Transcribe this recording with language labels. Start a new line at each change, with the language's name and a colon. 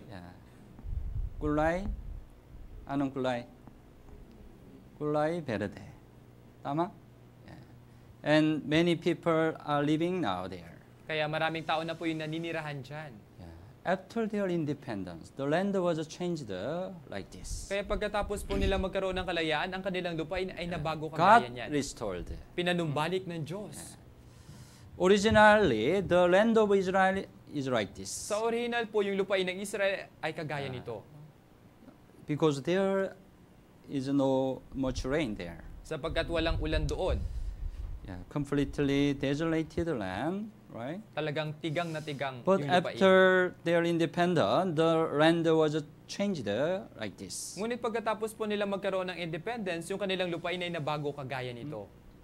Filipino: Yeah. Kulay? Anong kulay? Kulay verde. Tama? Yeah.
English: And many people are living now there.
Filipino: Kaya maraming tao na po yung naninirahan dyan.
English: After their independence, the land was changed like this.
Filipino: Kaya pagkatapos po nila magkaroon ng kalayaan, ang kanilang lupain ay nabago kagaya
English: God
Filipino: niyan.
English: God restored.
Filipino: Pinanumbalik ng Diyos.
English: Yeah. Originally, the land of Israel is like this.
Filipino: Sa original po, yung lupain ng Israel ay kagaya nito.
English: Because there is no much rain there.
Filipino: Sapagkat walang ulan doon.
English: Yeah, completely desolated land. Right?
Filipino: Talagang tigang na tigang.
English: But after their independence, the land was changed like this.
Filipino: Ngunit pagkatapos po nila magkaroon ng independence, yung kanilang lupain ay nabago kagaya nito.